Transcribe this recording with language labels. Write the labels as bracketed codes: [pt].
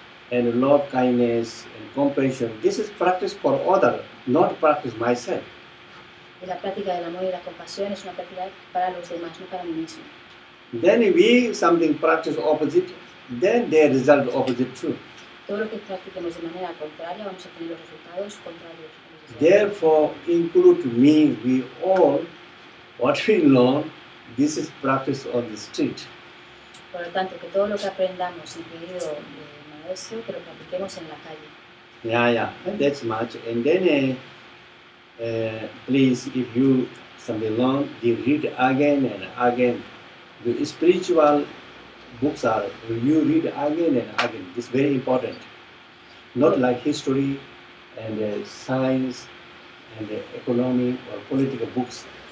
[en] And love kindness and compassion, this is practice for other, not practice myself. [es] La práctica del amor y la compasión es una práctica para los demás, no para mí mismo. [en] Then we something practice opposite, then they result opposite too. [es] Todo lo que practiquemos de manera contraria, vamos a tener los resultados contrarios. [en] Therefore, include me, we all, what we learn, this is practice on the street. [es] Por lo tanto, que todo lo que aprendamos, incluido maestro, que lo practiquemos en la calle. [en] And that's much. And then, please, if you something long, you read again and again. The spiritual books are, you read again and again. It's very important. Not like history and science and economy or political books.